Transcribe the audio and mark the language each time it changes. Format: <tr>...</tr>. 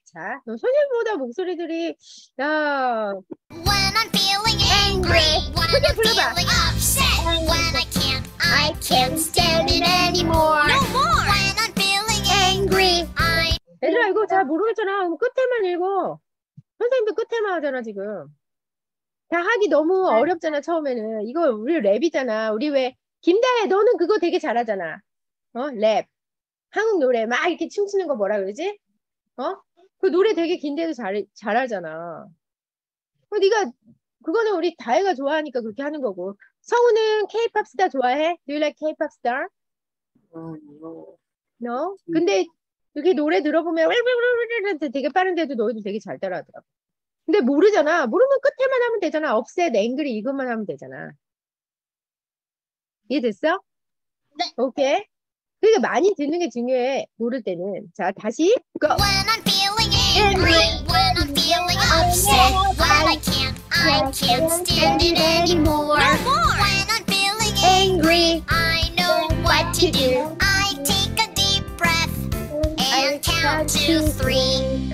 <ko>자, 선생님보다 목소리들이 야.</ko> <en>When I'm feeling angry, when I'm feeling upset, when I can't stand it anymore. No more. When I'm feeling angry, I</en> <ko>얘들아 이거 잘 모르겠잖아. 끝에만 읽어. 선생님도 끝에만 하잖아, 지금. 다 하기 너무 어렵잖아, 처음에는. 이거 우리 랩이잖아. 우리 왜 김다혜 너는 그거 되게 잘하잖아. 어? 랩. 한국 노래 막 이렇게 춤추는 거 뭐라 그러지? 어? 그 노래 되게 긴데도 잘하잖아. 네가 그거는 우리 다혜가 좋아하니까 그렇게 하는 거고. 성우는 K-pop 스타 좋아해?</ko> <en>Do you like K-pop star? No. No?</en> <ko>근데 이렇게 노래 들어보면 되게 빠른데도 너희도 되게 잘 따라하더라고. 근데 모르잖아. 모르면 끝에만 하면 되잖아.</ko> <en>Upset, angry</en> <ko>이것만 하면 되잖아. 이해됐어? 네. 오케이. 그게 많이 듣는 게 중요해. 모를 때는. 자, 다시. Go.</ko> <en>When I'm feeling angry, when I'm feeling upset, when I can't stand it anymore. No more. When I'm feeling angry, I know what to do. I take a deep breath and count to three.</en>